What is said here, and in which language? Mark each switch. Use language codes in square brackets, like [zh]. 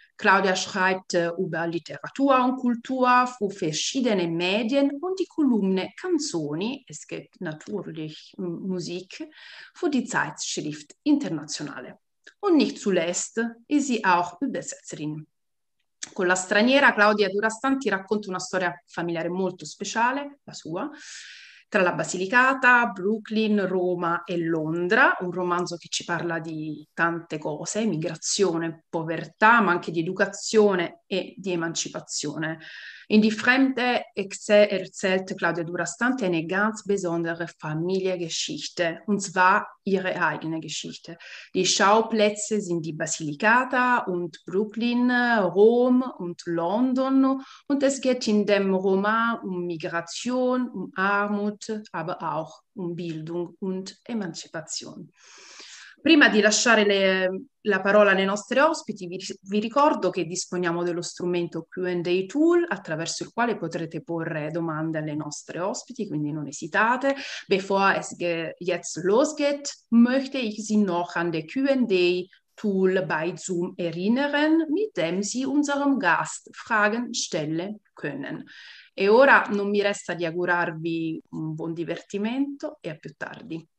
[de] Claudia schreibt über Literatur und Kultur für verschiedene Medien und die Kolumne Canzoni, es gibt natürlich Musik, für die Zeitschrift Internationale. Und nicht zuletzt ist sie auch Übersetzerin. [it] Con La Straniera, Claudia Durastanti racconta una storia familiare molto speciale, la sua, tra la Basilicata, Brooklyn, Roma e Londra, un romanzo che ci parla di tante cose, migrazione, povertà, ma anche di educazione e di emancipazione. [de] In Die Fremde erzählt Claudia Durastanti eine ganz besondere Familiengeschichte, und zwar ihre eigene Geschichte. Die Schauplätze sind die Basilikata und Brooklyn, Rom und London. Und es geht in dem Roman um Migration, um Armut, aber auch um Bildung und Emanzipation. [it] Prima di lasciare la parola alle nostre ospiti, vi ricordo che disponiamo dello strumento Q&A Tool attraverso il quale potrete porre domande alle nostre ospiti, quindi non esitate. [de] Bevor es ge jetzt losgeht, möchte ich Sie noch an der Q&A Tool bei Zoom erinnern, mit dem Sie unserem Gast Fragen stellen können. [it] E ora non mi resta di augurarvi un buon divertimento e a più tardi.